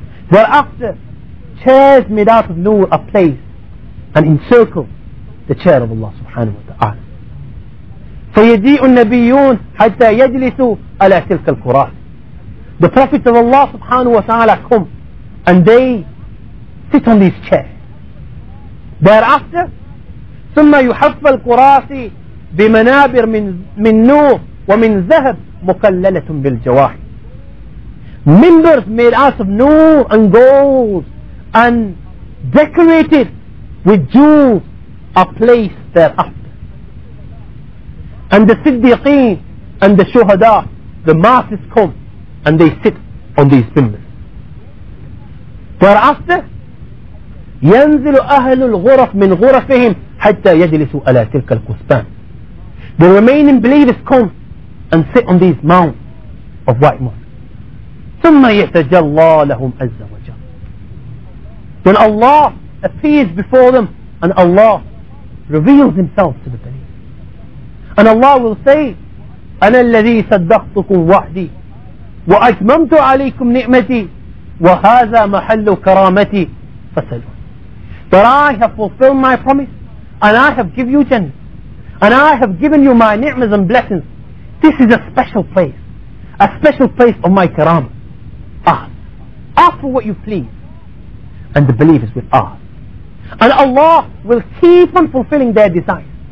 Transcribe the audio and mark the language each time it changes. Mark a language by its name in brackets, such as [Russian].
[English] Thereafter, chairs made out of nur are placed and encircle the chair of Allah subhanahu wa ta'ala. [Arabic] فَيَجِيءُ النَّبِيُّونَ حَتَّى يَجْلِسُوا عَلَى تِلْكَ الْقُرَاسِ. [English] The Prophet of Allah subhanahu wa ta'ala come and they sit on these chairs. Thereafter, [Arabic] ثُمَّ يُحَفَّ الْقُرَاسِ بِمَنَابِرٍ مِّن نُورٍ ومن ذهب مكللة بالجواهر. [English] members made out of nur and gold and decorated with jewels are placed thereafter. And the siddiqeen and the shuhada, the masses come and they sit on these members. Thereafter, [Arabic] ينزل أهل الغرف من غرفهم حتى يجلسوا على تلك الكثبان. [English] The remaining believers come and sit on these mounds of white mud. [Arabic] ثم يتجلى لهم عز وجل. [English] Then Allah appears before them and Allah reveals Himself to the believers. And Allah will say, [Arabic] أنا الذي صدقتكم وعدي وأتممت عليكم نعمتي وهذا محل كرامتي فسلوا. [English] But I have fulfilled my promise and I have given you Jannah and I have given you my ni'mas and blessings. This is a special place, a special place of my karam. Ask for what you please and the believers will ask and Allah will keep on fulfilling their desires.